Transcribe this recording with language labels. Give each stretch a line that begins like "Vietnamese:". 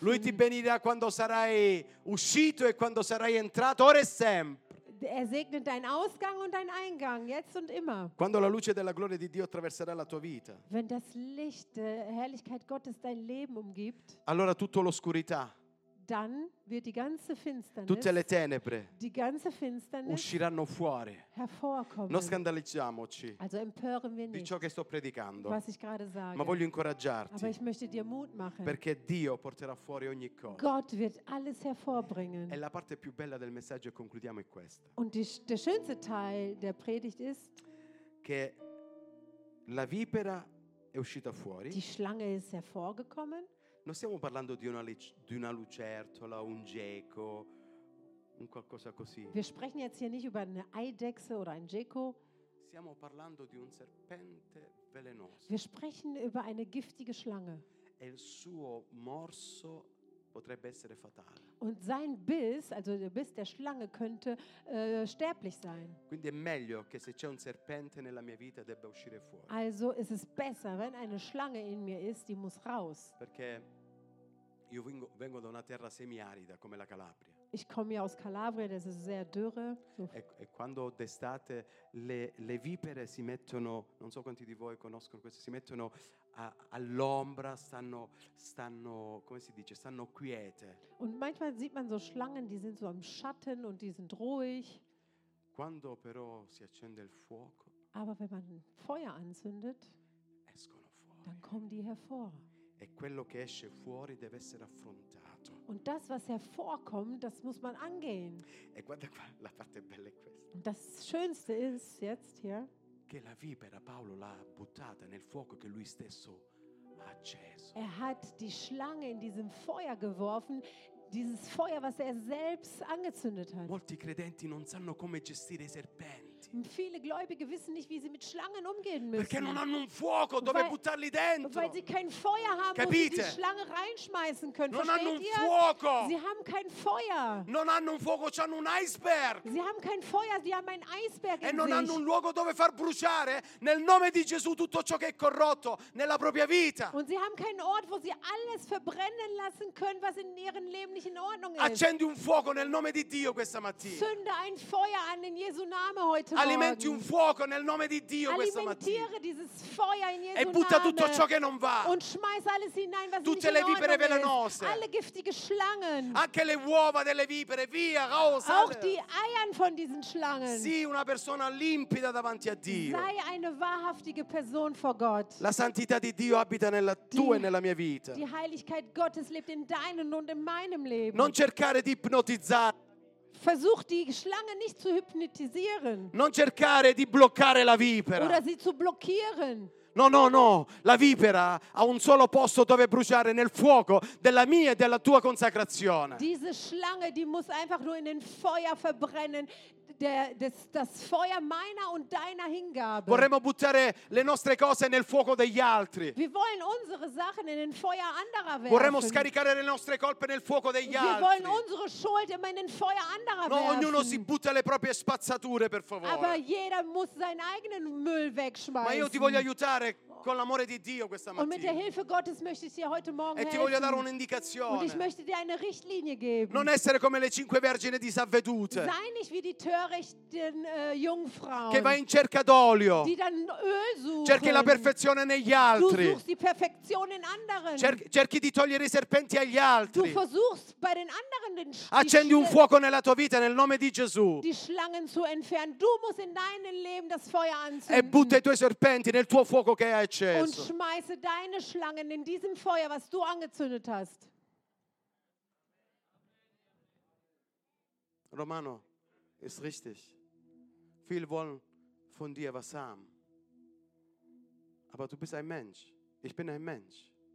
Italian: Lui ti benedirà quando sarai uscito e quando sarai entrato, ora e sempre.
German: Er segnet deinen Ausgang und deinen Eingang, jetzt und immer.
Italian: Quando la luce della gloria di Dio attraverserà la tua vita.
German: Wenn das Licht der Herrlichkeit Gottes dein Leben umgibt.
Italian: Allora tutta l'oscurità.
German: Dann wird die ganze Finsternis.
Italian: Tutte le tenebre.
German: Die ganze Finsternis.
Italian: Usciranno fuori.
German: Hervorkommen.
Italian: Non scandalizziamoci.
German: Also empören wir nicht.
Italian: Di ciò che sto predicando.
German: Was ich gerade sage.
Italian: Ma voglio incoraggiarti.
German: Aber ich möchte dir Mut machen.
Italian: Perché Dio porterà fuori ogni cosa.
German: Gott wird alles hervorbringen.
Italian: E la parte più bella del messaggio, e concludiamo, è questa.
German: Und der schönste Teil der Predigt ist.
Italian: Che la vipera è uscita fuori.
German: Die Schlange ist hervorgekommen.
Italian: Non stiamo parlando di una lucertola, un geco, un qualcosa così.
German: Wir sprechen jetzt hier nicht über eine Eidechse oder ein Geco.
Italian: Stiamo parlando di un serpente velenoso.
German: Wir sprechen über eine giftige Schlange.
Italian: E il suo morso potrebbe essere fatale.
German: Und sein Biss, also der Biss der Schlange, könnte sterblich sein.
Italian: Quindi è meglio che se c'è un serpente nella mia vita debba uscire fuori.
German: Also es ist besser, wenn eine Schlange in mir ist, die muss raus.
Italian: Perché io vengo da una terra semiarida come la Calabria.
German: Ich komme ja aus Calabria, das ist sehr dürre.
Italian: E quando d'estate le vipere si mettono, non so quanti di voi conoscono questo, si mettono all'ombra, stanno come si dice, stanno quiete.
German: Und manchmal sieht man so Schlangen, die sind so im Schatten und die sind ruhig.
Italian: Quando però si accende il fuoco.
German: Aber wenn man Feuer anzündet,
Italian: escono fuori.
German: Dann kommen die hervor.
Italian: E quello che esce fuori deve essere affrontato.
German: Und das, was hervorkommt, das muss man angehen.
Italian: E guarda qua, la parte bella è questa.
German: Und das Schönste ist jetzt hier,
Italian: che la vipera Paolo l'ha buttata nel fuoco che lui stesso ha acceso.
German: Er hat die Schlange in diesem Feuer geworfen, dieses Feuer, was er selbst angezündet hat.
Italian: Molti credenti non sanno come gestire i serpenti.
German: Und viele Gläubige wissen nicht, wie sie mit Schlangen umgehen müssen.
Italian: Perché non hanno un fuoco dove buttarli dentro.
German: Weil sie kein Feuer haben,
Italian: capite?
German: Wo sie die Schlange reinschmeißen können.
Italian: Non
German: versteht
Italian: hanno
German: ihr?
Italian: Un fuoco.
German: Sie haben kein Feuer.
Italian: Non hanno un fuoco, c'hanno un iceberg.
German: Sie haben kein Feuer, sie haben ein Eisberg
Italian: e
German: in sich.
Italian: E non hanno un luogo dove far bruciare nel nome di Gesù tutto ciò che è corrotto nella propria vita.
German: Und sie haben keinen Ort, wo sie alles verbrennen lassen können, was in ihrem Leben nicht in Ordnung ist.
Italian: Accendi un fuoco nel nome di Dio questa mattina.
German: Zünde ein Feuer an in Jesu Name heute.
Italian: Alimenti un fuoco nel nome di Dio questa mattina e butta tutto ciò che non va, tutte le vipere velenose,
German: alle giftige Schlangen,
Italian: anche le uova delle vipere, via, raus,
German: auch die Eier von diesen Schlangen.
Italian: Sii una persona limpida davanti a Dio.
German: Sei eine wahrhaftige Person vor Gott.
Italian: La santità di Dio abita nella tua e nella mia vita.
German: Die Heiligkeit Gottes lebt in deinem und in meinem Leben.
Italian: Non cercare di ipnotizzare.
German: Versuch die Schlange nicht zu hypnotisieren.
Italian: Non cercare di bloccare la vipera.
German: Oder sie zu blockieren.
Italian: No, no, no. La vipera ha un solo posto dove bruciare, nel fuoco della mia e della tua consacrazione.
German: Diese Schlange, die muss einfach nur in den Feuer verbrennen. Das Feuer meiner und deiner Hingabe.
Italian: Vorremmo buttare le nostre cose nel fuoco degli altri.
German: Wir wollen unsere Sachen in den Feuer anderer werfen.
Italian: Vorremmo scaricare le nostre colpe nel fuoco degli altri.
German: Wir wollen unsere Schuld immer in den Feuer anderer werfen.
Italian: No, ognuno si butta le proprie spazzature, per favore.
German: Aber jeder muss seinen eigenen Müll wegschmeißen.
Italian: Ma io ti voglio aiutare con l'amore di Dio questa mattina.
German: Und mit der Hilfe Gottes möchte ich dir heute Morgen helfen.
Italian: E ti voglio dare un'indicazione.
German: Und ich möchte dir eine Richtlinie geben.
Italian: Non essere come le cinque vergini disavvedute.
German: Sei nicht wie die törichten Jungfrauen.
Italian: Che va in cerca d'olio.
German: Die dann Öl suchen.
Italian: Cerchi la perfezione negli altri.
German: Du suchst die Perfektion in anderen.
Italian: Cerchi di togliere i serpenti agli altri.
German: Du versuchst bei den anderen den Stich.
Italian: Accendi un fuoco nella tua vita nel nome di Gesù.
German: Die Schlangen zu entfernen. Du musst in deinem Leben das Feuer anzünden.
Italian: E butta i tuoi serpenti nel tuo fuoco che hai.
German: Und schmeiße deine Schlangen in diesem Feuer, was du angezündet hast.
Italian: Romano,
German: ist richtig. Viele wollen von dir was haben. Aber du bist ein Mensch. Ich bin ein Mensch.